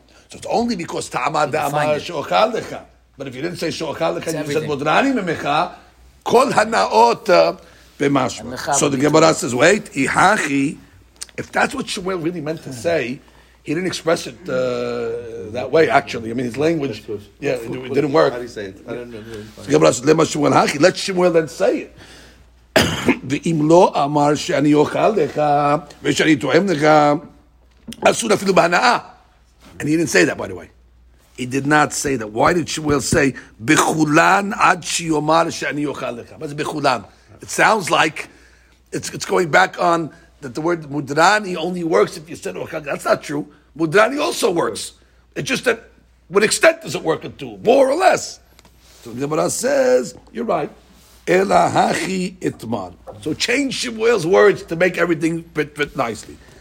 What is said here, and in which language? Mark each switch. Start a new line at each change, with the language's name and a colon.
English: So it's only because
Hebrew: ta'ama da'amah she'okal lecha.
English: But if you didn't say she'okal lecha, you said
Hebrew: mudrani memecha, kol hana'ot B'mashma.
English: So the Gemara says, wait, ihachi, if that's what Shmuel really meant to say, he didn't express it that way, actually. I mean, his language, yeah, it didn't work. How do you say it? I don't know. Gemara says, let Shmuel then say it.
Hebrew: ואם לא אמר שאני אוכל לך ושאני תואם לך אסור אפילו בהנאה.
English: And he didn't say that, by the way. He did not say that. Why did Shmuel say
Hebrew: בכולן עד שיומר שאני אוכל לך? מה זה בכולן?
English: It sounds like it's going back on that the word מודרני only works if you said אוכל. That's not true. מודרני also works. It's just that what extent does it work into? More or less. So Gemara says, you're right.
Hebrew: Ela hachi itmar.
English: So change Shmuel's words to make everything fit nicely.